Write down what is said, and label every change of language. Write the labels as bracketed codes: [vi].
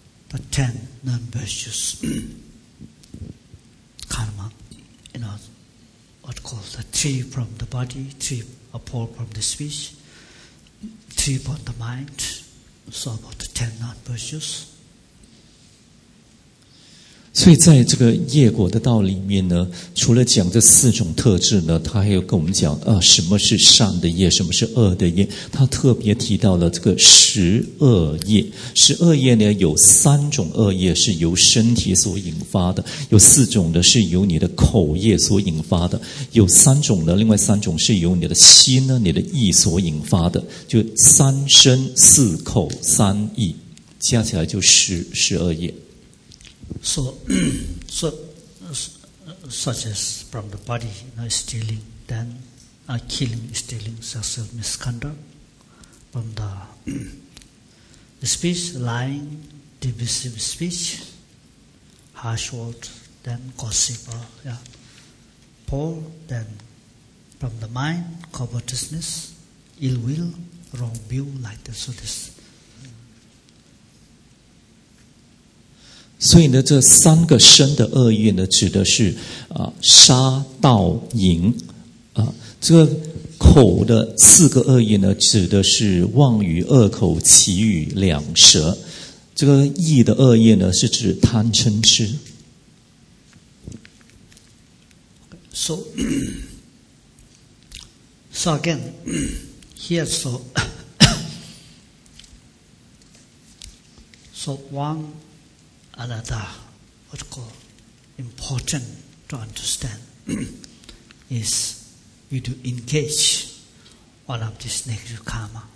[en] The ten non-virtuous karma, you know, what called the three from the body, three apart from the speech, three from the mind. So about the ten non-virtuous. [zh] 所以在这个业果的道里面呢，除了讲这四种特质呢，他还有跟我们讲啊，什么是善的业，什么是恶的业，他特别提到了这个十恶业。十恶业呢，有三种恶业是由身体所引发的，有四种呢是由你的口业所引发的，有三种呢，另外三种是由你的心呢，你的意所引发的，就三身四口三意，加起来就十恶业。 [en] So, such as from the body, you know, stealing, then killing, stealing, sexual misconduct. From the speech, lying, divisive speech, harsh words, then gossip, poor, then from the mind, covetousness, ill will, wrong view, like that. So this. [zh] 所以呢，这三个身的恶业呢，指的是杀、盗、淫啊。这个口的四个恶业呢，指的是妄语、恶口、绮语、两舌。这个意的恶业呢，是指贪嗔痴。 [en] So, so again, here so, so one. Another, what called important to understand is you do engage one of these negative karma.